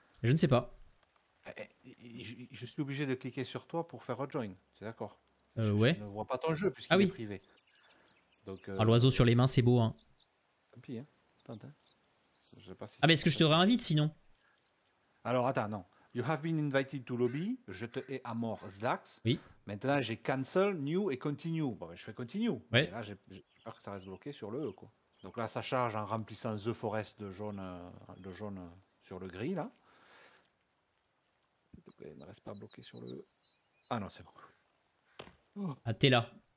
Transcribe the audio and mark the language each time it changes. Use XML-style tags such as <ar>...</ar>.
<fr>Je ne sais pas. Je suis obligé de cliquer sur toi pour faire rejoin, c'est d'accord. Ouais. Je ne vois pas ton jeu puisqu'il est privé. Donc, ah, l'oiseau sur les mains, c'est beau. Hein. Tant pis, hein. Attends, hein. Je sais pas si ah, mais est-ce que je te réinvite sinon? Alors attends, non.</fr> <en>You have been invited to lobby,</en> <fr>je te hais à mort,</fr> <en>Zlax.</en> <fr>Oui. Maintenant j'ai cancel, new et continue. Bon, ben, je fais continue. Ouais. Et là j'ai peur que ça reste bloqué sur le E, quoi. Donc là, ça charge en remplissant The Forest de jaune sur le gris, là. Il ne reste pas bloqué sur le... Ah non, c'est bon. Oh. Ah, t'es là.</fr>